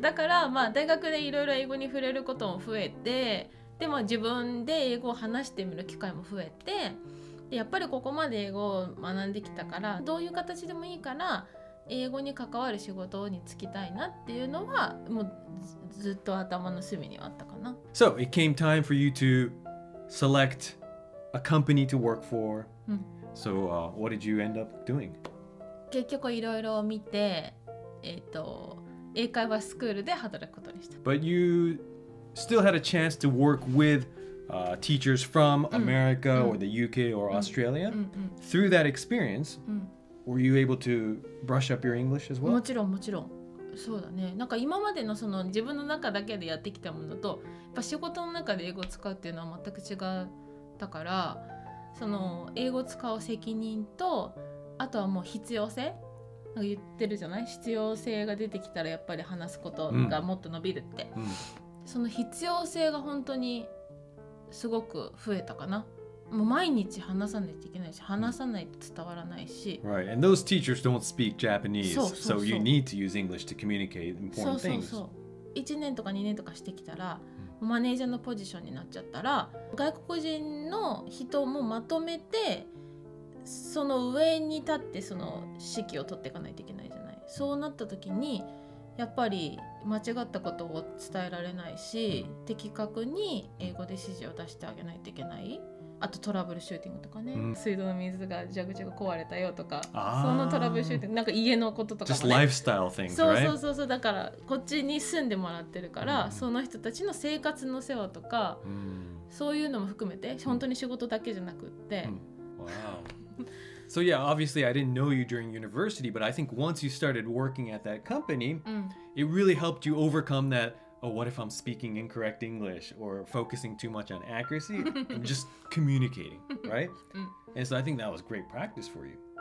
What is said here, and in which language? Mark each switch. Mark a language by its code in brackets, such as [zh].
[ja] だからまあ大学でいろいろ英語に触れることも増えて、でも自分で英語を話してみる機会も増えて、やっぱりここまで英語を学んできたから、どういう形でもいいから英語に関わる仕事に就きたいなっていうのはもうずっと頭の隅にはあったかな。 [en] So it came time for you to select a company to work for. So what did you end up doing? [ja] 結局いろいろ見て、英会話スクールで働くことにした。 [en] But you still had a chance to work withteachers from America or the UK or Australia. Through that experience, were you able to brush up your English as well? [ja] もちろんもちろん。そうだね。なんか今までのその自分の中だけでやってきたものと、やっぱ仕事の中で英語を使うっていうのは全く違ったから、その英語を使う責任と、あとはもう必要性。なんか言ってるじゃない？必要性が出てきたらやっぱり話すことがもっと伸びるって。その必要性が本当にすごく増えたかな。もう毎日話さないといけないし、話さないと伝わらないし。 [en] Right, and those teachers don't speak Japanese, so you need to use English to communicate important things. [ja] そうそうそう。1年とか2年とかしてきたら、マネージャーのポジションになっちゃったら、外国人の人もまとめて、その上に立ってその指揮を取っていかないといけないじゃない。そうなった時に、やっぱり間違ったことを伝えられないし、的確に英語で指示を出してあげないといけない、あとトラブルシューティングとかね、水道の水が蛇口が壊れたよとか、そのトラブルシューティング、なんか家のこととか、ね、 [en] Just lifestyle things, right? [ja] そうそうそう、だからこっちに住んでもらってるから、その人たちの生活の世話とか、そういうのも含めて本当に仕事だけじゃなくって、 [en] So yeah, obviously I didn't know you during university, but I think once you started working at that company, it really helped you overcome that, oh, what if I'm speaking incorrect English or focusing too much on accuracy and just communicating, right? And so I think that was great practice for you.